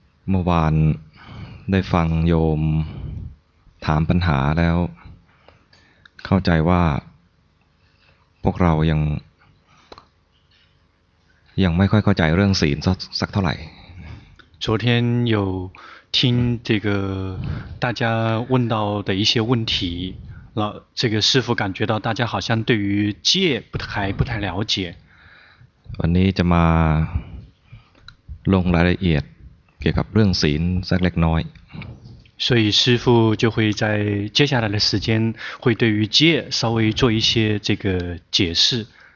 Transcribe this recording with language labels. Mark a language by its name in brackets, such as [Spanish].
[Thai] เมื่อวานได้ฟังโยมถามปัญหาแล้วเข้าใจว่าพวกเรายังไม่ค่อยเข้าใจเรื่องศีลสักเท่าไหร่ [Chinese] 昨天有听这个大家问到的一些问题，那这个师父感觉到大家好像对于戒不太了解。 [Thai] วันนี้จะมาลงรายละเอียดเกี่ยวกับเรื่องศีลสักเล็กน้อย。 [Chinese] 所以师父就会在接下来的时间会对于戒稍微做一些这个解释。